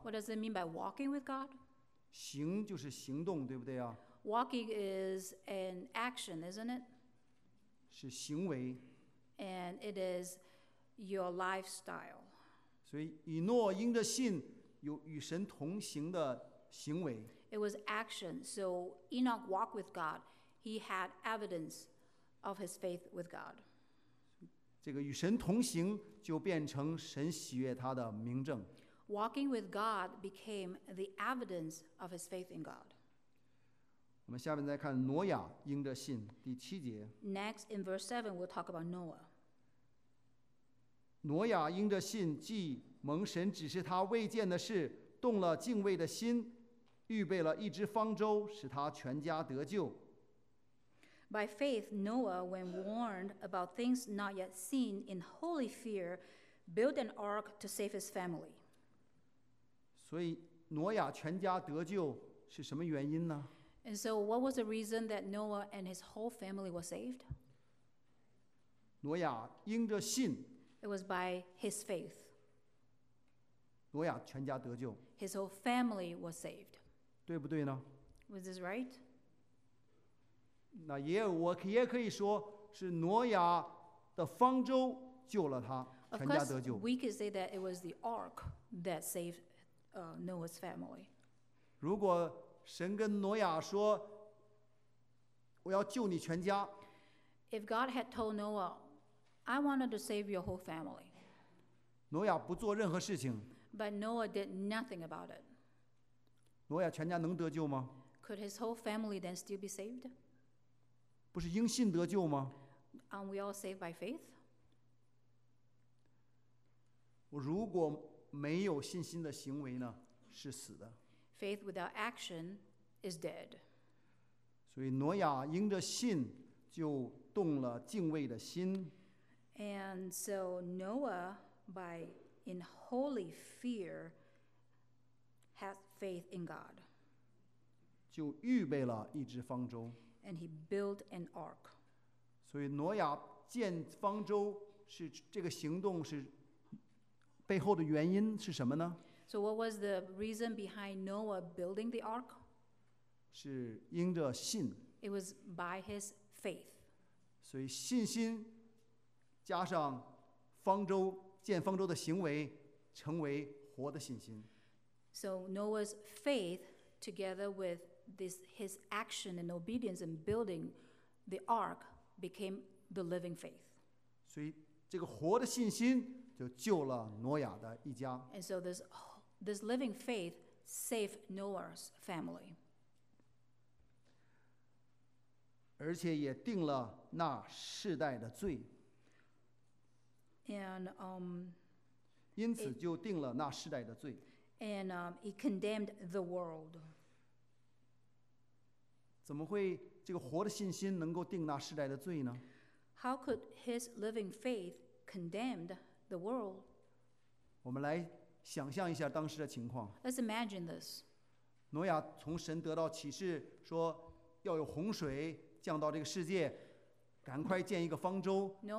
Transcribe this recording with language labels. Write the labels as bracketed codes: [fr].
[en] What does it mean by walking with God? [zh] 行就是行动，对不对啊？ [en] Walking is an action, isn't it? [zh] 是行为。 [en] And it is your lifestyle. [zh] 所以以诺因着信有与神同行的。行为。 [en] It was action. So Enoch walked with God. He had evidence of his faith with God. [zh] 这个与神同行就变成神喜悦他的明证。 [en] Walking with God became the evidence of his faith in God. [zh] 我们下面再看挪亚因着信第七节。 [en] Next, in verse 7, we'll talk about Noah. [zh] 挪亚因着信，既蒙神指示他未见的事，动了敬畏的心，预备了一只方舟，使他全家得救。 [en] By faith, Noah, when warned about things not yet seen, in holy fear, built an ark to save his family. [zh] 所以挪亚全家得救是什么原因呢？ [en] And so what was the reason that Noah and his whole family were saved? [zh] 挪亚因着信。 [en] It was by his faith. [zh] 挪亚全家得救。 [en] His whole family was saved. [zh] 对不对呢？ [en] Was this right? [zh] 那也我也可以说是挪亚的方舟救了他，全家得救。 [en] Of course, we could say that it was the ark that saved Noah's family. [zh] 如果神跟挪亚说，我要救你全家。 [en] If God had told Noah, I wanted to save your whole family. [zh] 挪亚不做任何事情。 [en] But Noah did nothing about it. [zh] 挪亚全家能得救吗？ [en] Could his whole family then still be saved? [zh] 不是因信得救吗？ [en] Aren't we all saved by faith? [zh] 我如果没有信心的行为呢，是死的。 [en] Faith without action is dead. [zh] 所以挪亚因着信就动了敬畏的心。 [en] And so Noah, by in holy fear, had faith in God. [zh] 就预备了一只方舟。 [en] And he built an ark. [zh] 所以挪亚建方舟是这个行动是背后的原因是什么呢？ [en] So what was the reason behind Noah building the ark? [zh] 是因着信。 [en] It was by his faith. [zh] 所以信心加上方舟建方舟的行为成为活的信心。 [en] So Noah's faith together withThis, his action and obedience in building the ark became the living faith. [zh] 所以这个活的信心就救了挪亚的一家。 [en] And so this living faith saved Noah's family. [zh] 而且也定了那世代的罪。 [en] And [zh] 因此就定了那世代的罪。 [en] And he condemned the world. [zh] 怎么会这个活的信心能够定那世代的罪呢？ [en] How could his living faith condemn the world? [zh] 我们来想象一下当时的情况。 [en] Let's imagine this. [zh] 挪亚从神得到启示，说要有洪水降到这个世界，赶快建一个方舟。